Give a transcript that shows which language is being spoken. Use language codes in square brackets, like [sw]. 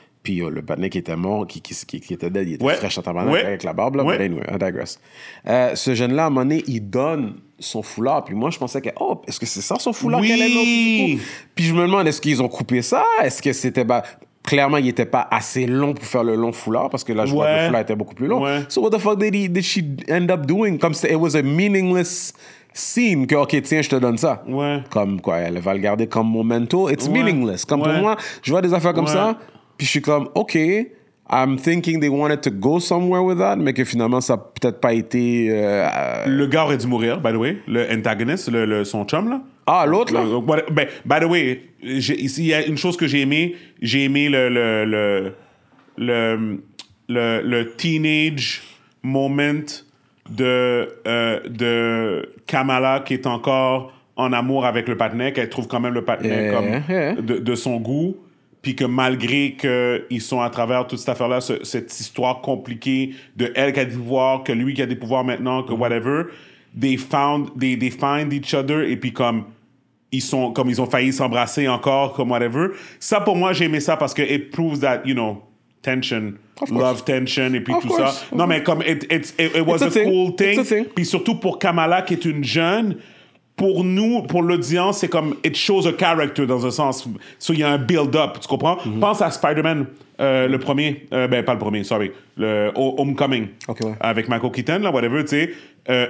[fr] Puis le panneau qui était mort, qui était dead, il était fraîche en tabarnak avec la barbe, là. Ouais. [en] But anyway, I digress. [fr] Ce jeune-là, à un moment donné, il donne son foulard. Puis moi, je pensais que, oh, est-ce que c'est ça son foulard qu'elle est mort? Puis je me demande, est-ce qu'ils ont coupé ça? Est-ce que c'était. Bah, clairement, il n'était pas assez long pour faire le long foulard, parce que là, je vois que le foulard était beaucoup plus long. Ouais. [en] So what the fuck did she end up doing? [fr] Comme si [en] it was a meaningless scene, [fr] que, OK, tiens, je te donne ça. Ouais. Comme quoi, elle va le garder comme memento. [en] It's meaningless. [fr] Comme pour moi, je vois des affaires comme ça. Puis je suis comme, OK, [en] I'm thinking they wanted to go somewhere with that, [fr] mais que finalement, ça n'a peut-être pas été... Le gars aurait dû mourir, [en] by the way. [fr] Le antagonist, son chum, là. Ah, l'autre, là? Ben, [en] by the way, [fr] il y a une chose que j'ai aimé le teenage moment de Kamala qui est encore en amour avec le partner, qu'elle trouve quand même le partner de son goût. Puis que malgré qu'ils sont à travers toute cette affaire-là, cette histoire compliquée de elle qui a des pouvoirs, que lui qui a des pouvoirs maintenant, que whatever, [en] they find each other, [fr] et puis comme ils sont, comme ils ont failli s'embrasser encore, comme whatever. Ça, pour moi, j'ai aimé ça parce que [en] it proves that, you know, tension, love tension, [fr] et puis of tout course. Ça. Mm-hmm. Non, mais comme [en] it was it's a cool thing. [fr] Puis surtout pour Kamala, qui est une jeune... Pour nous, pour l'audience, c'est comme « [en] it shows a character [fr] » dans un sens. So, y a un build-up, tu comprends? Mm-hmm. Pense à Spider-Man, le premier. Ben, pas le premier, sorry. Le Homecoming. Okay, ouais. Avec Michael Keaton, là, whatever, tu sais.